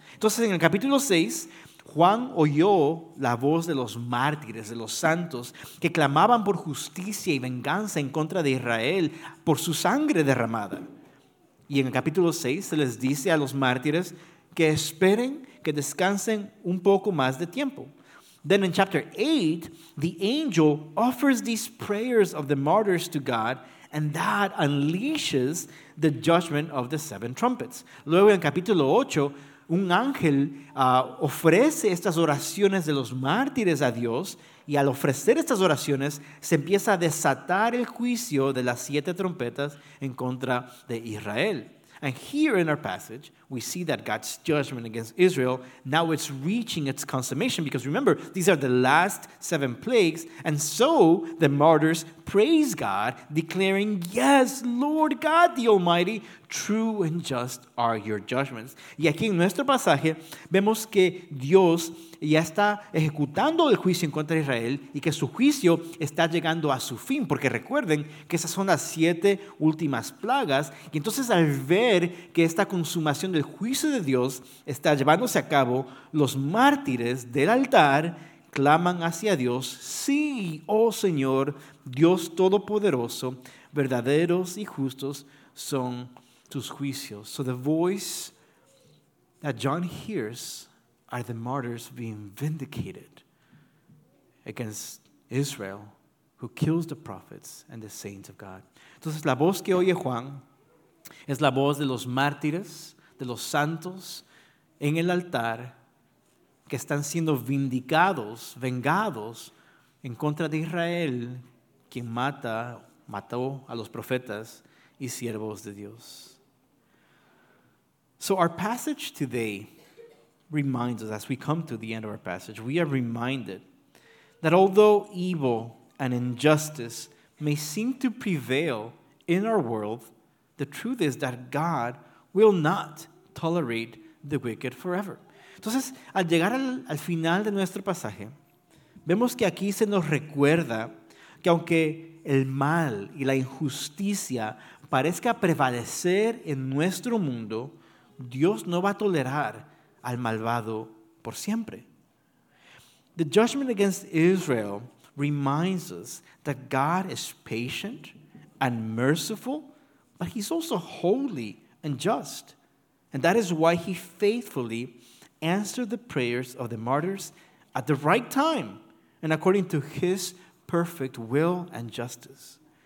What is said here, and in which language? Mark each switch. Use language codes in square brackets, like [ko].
[es] Entonces, en el capítulo 6, Juan oyó la voz de los mártires, de los santos, que clamaban por justicia y venganza en contra de Israel por su sangre derramada. Y en el capítulo 6 se les dice a los mártires que esperen, que descansen un poco más de tiempo. [en] Then in chapter 8, the angel offers these prayers of the martyrs to God, and that unleashes the judgment of the seven trumpets. [es] Luego en capítulo 8, un ángel ofrece estas oraciones de los mártires a Dios, y al ofrecer estas oraciones, se empieza a desatar el juicio de las siete trompetas en contra de Israel. [en] And here in our passage, we see that God's judgment against Israel, now it's reaching its consummation. Because remember, these are the last seven plagues. And so the martyrs praise God, declaring, yes, Lord God the Almighty, true and just are your judgments. [es] Y aquí en nuestro pasaje, vemos que Dios ya está ejecutando el juicio en contra de Israel y que su juicio está llegando a su fin. Porque recuerden que esas son las siete últimas plagas. Y entonces al ver que esta consumación del juicio de Dios está llevándose a cabo, los mártires del altar claman hacia Dios, sí, oh Señor, Dios Todopoderoso, verdaderos y justos son tus juicios. [en] So the voice that John hears are the martyrs being vindicated against Israel, who kills the prophets and the saints of God. [es] Entonces, la voz que oye Juan es la voz de los mártires, de los santos en el altar, que están siendo vindicados, vengados, en contra de Israel, quien mató a los profetas y siervos de Dios. [en] So our passage today reminds us, as we come to the end of our passage, we are reminded that although evil and injustice may seem to prevail in our world, the truth is that God will not tolerate the wicked forever. [es] Entonces, al llegar al final de nuestro pasaje, vemos que aquí se nos recuerda que aunque el mal y la injusticia parezca prevalecer en nuestro mundo, Dios no va a tolerar al malvado por siempre. [en] The judgment against Israel reminds us that God is patient and merciful, but he's also holy and just. And that is why he faithfully answered the prayers of the martyrs at the right time and according to his perfect will and justice.